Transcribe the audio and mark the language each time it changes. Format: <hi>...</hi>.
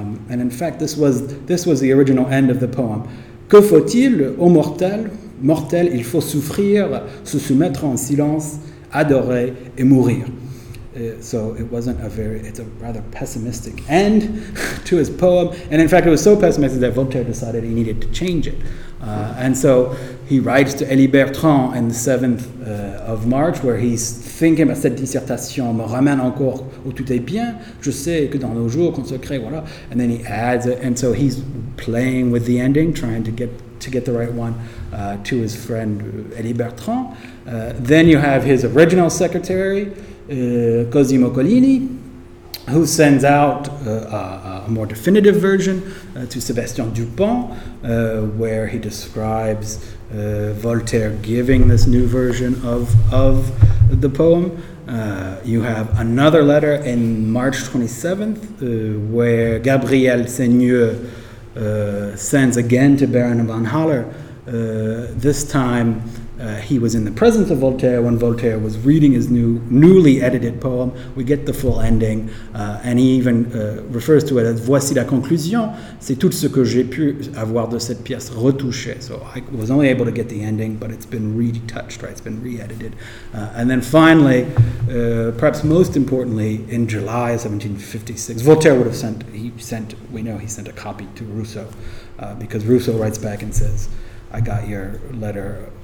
<en>And in fact, this was the original end of the poem.</en> <fr>Que faut-il, ô mortel? Mortel, il faut souffrir, se soumettre en silence, adorer et mourir.</fr> <en>So it wasn't it's a rather pessimistic end to his poem. And in fact, it was so pessimistic that Voltaire decided he needed to change it. And so he writes to Elie Bertrand on the 7th of March, where he's thinking about</en> <fr>cette dissertation me ramène encore où tout est bien. Je sais que dans nos jours consacrés, voilà.</fr> <en>And then he adds it. And so he's playing with the ending, trying to get the right one to his friend Elie Bertrand. Then you have his original secretary, Cosimo Collini, who sends out a more definitive version to Sébastien Dupont, where he describes Voltaire giving this new version of the poem. You have another letter in March 27th, where Gabriel Seigneur sends again to Baron von Haller. This time, he was in the presence of Voltaire when Voltaire was reading his newly edited poem. We get the full ending, and he even refers to it as</en> <fr>"Voici la conclusion. C'est tout ce que j'ai pu avoir de cette pièce retouchée."</fr> <en>So I was only able to get the ending, but it's been retouched, right? It's been re-edited. And then finally, perhaps most importantly, in July 1756, Voltaire would have sent. We know he sent a copy to Rousseau, because Rousseau writes back and says, "I got your letter.</en>